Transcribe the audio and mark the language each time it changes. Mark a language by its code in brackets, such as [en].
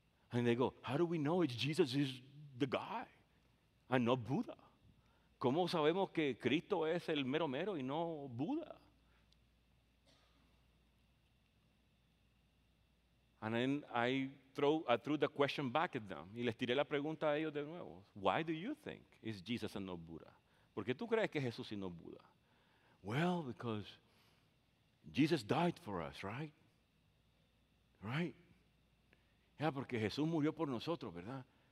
[en] And they go, how do we know if Jesus is the guy and not Buddha? [es] ¿Cómo sabemos que Cristo es el mero mero y no Buda? [en] And then I threw the question back at them. [es] Y les tiré la pregunta a ellos de nuevo. [en] Why do you think is Jesus and not Buddha? [es] ¿Por qué tú crees que es Jesús y no Buda? [en] Well, because Jesus died for us, right? Right? [es] Ya, porque Jesús murió por nosotros, ¿verdad?